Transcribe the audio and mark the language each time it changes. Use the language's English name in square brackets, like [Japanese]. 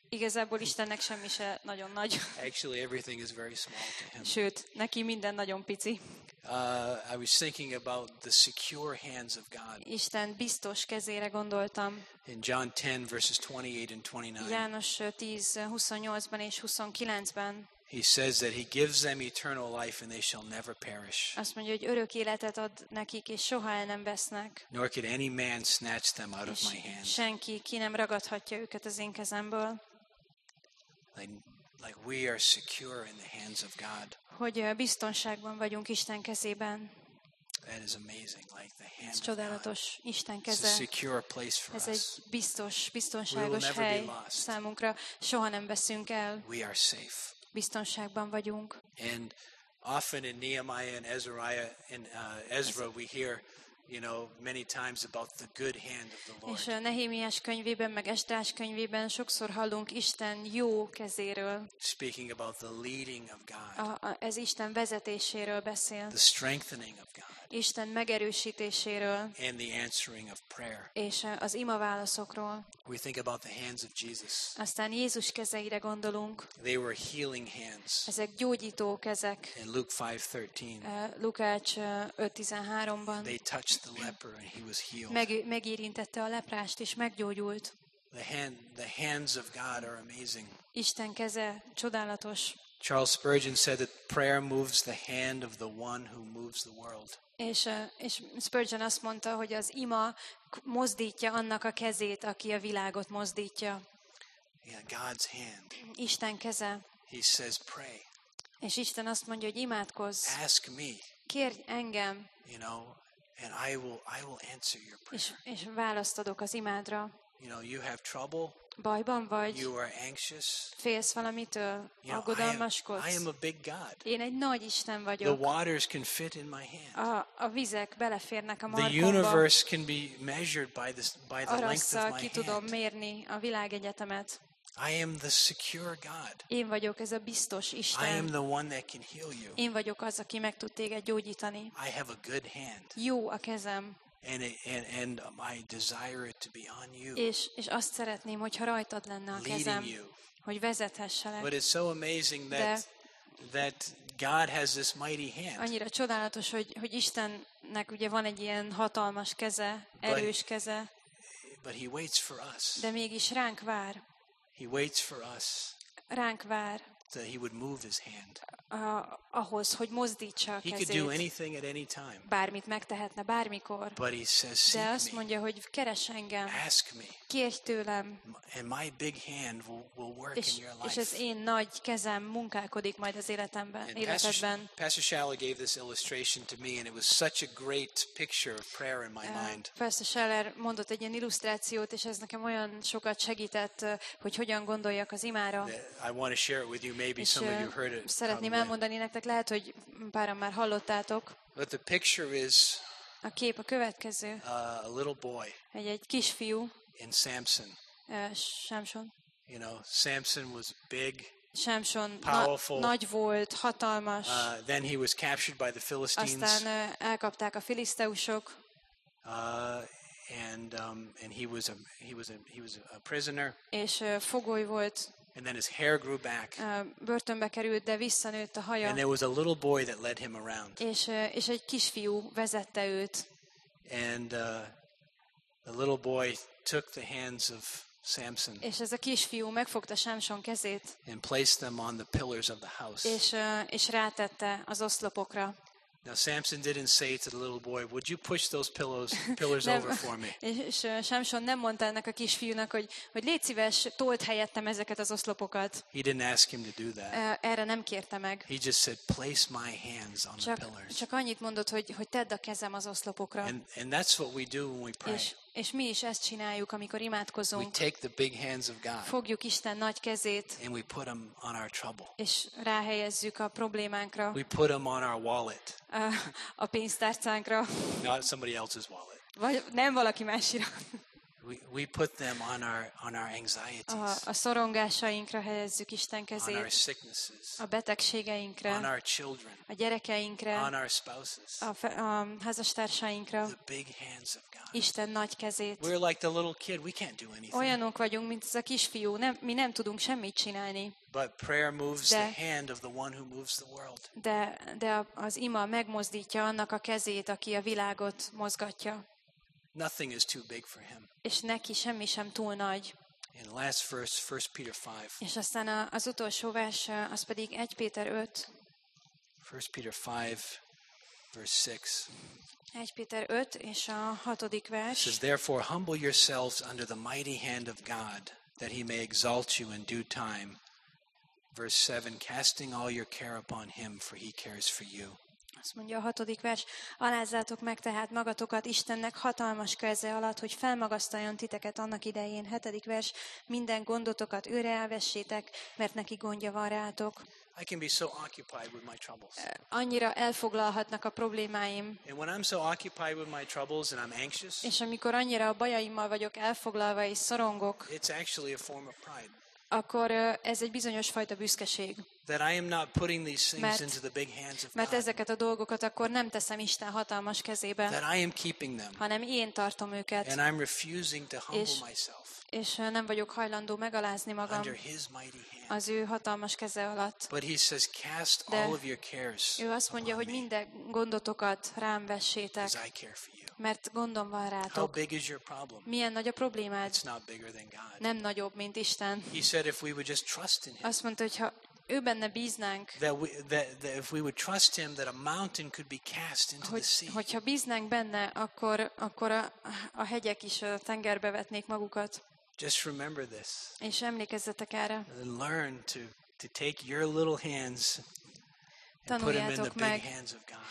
[Hungarian] Igazából Istennek semmi se nagyon nagy. [English] Actually, everything is very small to him. [Hungarian] Sőt, neki minden nagyon pici. [English] I was thinking about the secure hands of God. [Hungarian] Isten biztos kezére gondoltam. [English] In John 10 verses 28 and 29. [Hungarian] János 10, 28-ban és 29-ben. [English] He says that he gives them eternal life and they shall never perish. [Hungarian] Azt mondja, hogy örök életet ad nekik és soha el nem vesznek. [English] Nor could any man snatch them out of my hand. [Hungarian] Senki ki nem ragadhatja őket az én kezemből. [English] Like we are secure in the hands of God. [Hungarian] Hogy biztonságban vagyunk Isten kezében. [English] That is amazing, like the hand. [Hungarian] Ez csodálatos, Isten keze. [English] It's a secure place for us. [Hungarian] Ez egy biztos, biztonságos hely számunkra. Soha nem veszünk el. [English] We are safe. [Hungarian] Biztonságban vagyunk. [English] And often in Nehemiah and Azariah and Ezra we hear, you know, many times about the good hand of the Lord. [Hungarian] És a Nehémiás könyvében meg Esdrás könyvében sokszor hallunk Isten jó kezéről. [English] Speaking about the leading of God. [Hungarian] Ez Isten vezetéséről beszél. [English] The strengthening of God. [Hungarian] Isten megerősítéséről. [English] And the answering of prayer. [Hungarian] És az ima válaszokról. [English] We think about the hands of Jesus. [Hungarian] Aztán Jézus kezeire gondolunk. [English] They were healing hands. [Hungarian] Ezek gyógyító kezek. [English] In Luke 5:13. [Hungarian] Lukács 5:13-ban. [English] They touched the leper and he was healed. [Hungarian] Megérintette a leprást és meggyógyult. [English] The hands of God are amazing. [Hungarian] Isten keze csodálatos. [English] Charles Spurgeon said that prayer moves the hand of the one who moves the world. [Hungarian] És Spurgeon azt mondta, hogy az ima mozdítja annak a kezét, aki a világot mozdítja. [English] Yeah, God's hand. [Hungarian] Isten keze. [English] He says pray. [Hungarian] És Isten azt mondja, hogy imádkozz. [English] Ask me. [Hungarian] Kérj engem. [English] You know, and I will answer your prayer. [Hungarian] És választ adok az imádra. [English] You know, you have trouble. [Hungarian] Bajban vagy. [English] You are anxious. [Hungarian] Félsz valamitől, aggodalmaskodsz. [English] I am a big God. [Hungarian] Én egy nagy Isten vagyok. [English] The waters can fit in my hand. [Hungarian] A vizek beleférnek a markomba. [English] The universe can be measured by the length of my hand. [Hungarian] Arasszal ki tudom mérni a világegyetemet. [English] I am the secure God. [Hungarian] Én vagyok ez a biztos Isten. [English] I am the one that can heal you. [Hungarian] Én vagyok az, aki meg tud téged gyógyítani. [English] I have a good hand. [Hungarian] Jó a kezem. [English] And I desire it to be on you. [Hungarian] És azt szeretném, hogyha rajtad lenne a kezem, hogy vezethesselek. [English] But it's so amazing that God has this mighty hand. [Hungarian] Annyira csodálatos, hogy Istennek ugye van egy ilyen hatalmas keze, erős keze. [English] But he waits for us. [Hungarian] De mégis ránk vár. [English] He waits for us. [Hungarian] Ránk vár. [English] That he would move his hand. [Hungarian] Ahhoz, hogy mozdítsa a kezét. [English] He could do anything at any time. [Hungarian] Bármit megtehetne bármikor. [English] But he says, seek me. [Hungarian] De azt mondja, hogy keres engem. [English] Ask me. [Hungarian] Kérj tőlem. [English] And my big hand will work in your life. [Hungarian] És az én nagy kezem munkálkodik majd az életemben, életedben. [English] Pastor Schaller gave this illustration to me, and it was such a great picture of prayer in my mind. [Hungarian] Pastor Schaller mondott egy ilyen illusztrációt, és ez nekem olyan sokat segített, hogy hogyan gondoljak az imára. [English] I want to share it with you. Maybe some of you heard it. [Hungarian] Szeretném elmondani nektek, lehet, hogy páran már hallottátok. [English] But the picture is. [Hungarian] A kép a következő. [English] A little boy. [Hungarian] Egy kisfiú. [English] And Samson. [Hungarian] Samson. [English] You know, Samson was big. Samson powerful. [Hungarian] Nagy volt, hatalmas. [English] Then he was captured by the Philistines. [Hungarian] Aztán elkapták a filiszteusok. [English] And he was a prisoner. [Hungarian] És fogoly volt. [English] And then his hair grew back. [Hungarian] Börtönbe került, de visszanőtt a haja. [English] And there was a little boy that led him around. [Hungarian] És egy kisfiú vezette őt. [English] And the little boy took the hands of Samson. [Hungarian] És ez a kisfiú megfogta Samson kezét. [English] And placed them on the pillars of the house. [Hungarian] És rátette az oszlopokra. [English] Now Samson didn't say to the little boy, "Would you push those pillars over for me?" [Hungarian] És Samson nem mondta ennek a kisfiúnak, hogy légy szíves, told helyettem ezeket az oszlopokat. [English] He didn't ask him to do that. [Hungarian] Erre nem kérte meg. [English] He just said, "Place my hands on the pillars." [Hungarian] Csak annyit mondott, hogy tedd a kezem az oszlopokra. [English] And that's what we do when we pray. [Hungarian] És mi is ezt csináljuk, amikor imádkozunk. [English] We take the big hands of God. [Hungarian] Fogjuk Isten nagy kezét. [English] And we put them on our trouble. [Hungarian] És ráhelyezzük a problémánkra. [English] We put them on our wallet. [Hungarian] A pénztárcánkra. [English] Not somebody else's wallet. [Hungarian] Vagy nem valaki másira. [English] we put them on our anxieties. [Hungarian] A szorongásainkra helyezzük Isten kezét. [English] On our sicknesses. [Hungarian] A betegségeinkre. [English] On our children. [Hungarian] A gyerekeinkre. [English] On our spouses. [Hungarian] A házastársainkra. [English] The big hands of God. [Hungarian] Isten nagy kezét. [English] We're like the little kid, we can't do anything. [Hungarian] Olyanok vagyunk, mint ez a kisfiú, mi nem tudunk semmit csinálni. [English] But prayer moves the hand of the one who moves the world. [Hungarian] De az ima megmozdítja annak a kezét, aki a világot mozgatja. [English] Nothing is too big for him. [Hungarian] És neki semmi sem túl nagy. [English] In the last verse, 1 Peter 5. [Hungarian] És aztán az utolsó vers, az pedig 1 Péter 5. [English] 1 Peter 5, verse 6. [Hungarian] 1 Péter 5 és a 6. vers. [English] It says, therefore humble yourselves under the mighty hand of God, that he may exalt you in due time. Verse 7, casting all your care upon him, for he cares for you. [Hungarian] Azt mondja a 6. vers, alázzátok meg tehát magatokat Istennek hatalmas keze alatt, hogy felmagasztaljon titeket annak idején. 7. vers, minden gondotokat őre elvessétek, mert neki gondja van rátok. [English] I can be so occupied with my troubles. [Hungarian] Annyira elfoglalhatnak a problémáim. [English] And when I'm so occupied with my troubles and I'm anxious, [Hungarian] és amikor annyira a bajaimmal vagyok elfoglalva és szorongok, [English] it's actually a form of pride. [Hungarian] Akkor ez egy bizonyos fajta büszkeség. [English] That I am not putting these things into the big hands of God. [Hungarian] Mert ezeket a dolgokat akkor nem teszem Isten hatalmas kezébe. [English] That I am keeping them. [Hungarian] Hanem én tartom őket. [English] And I'm refusing to humble myself. [Hungarian] És nem vagyok hajlandó megalázni magam. [English] Under his mighty hand. [Hungarian] Az ő hatalmas keze alatt. [English] But he says, cast all of your cares. [Hungarian] Ő azt mondja, hogy minden gondotokat rám vessétek. [English] Because I care for you. [Hungarian] Mert gondom van rátok. [English] How big is your problem? [Hungarian] Milyen nagy a problémád? [English] It's not bigger than God. [Hungarian] Nem nagyobb, mint Isten. [English] He said, if we would just trust in him. [Hungarian] Azt mondta, hogy ha ő benne bíznánk. [English] That if we would trust him, that a mountain could be cast into the sea. [Hungarian] Hogyha bíznánk benne, akkor a hegyek is a tengerbe vetnék magukat. [English] Just remember this. [Hungarian] És emlékezzetek erre. [English] And learn to take your little hands and put them in the big hands of God.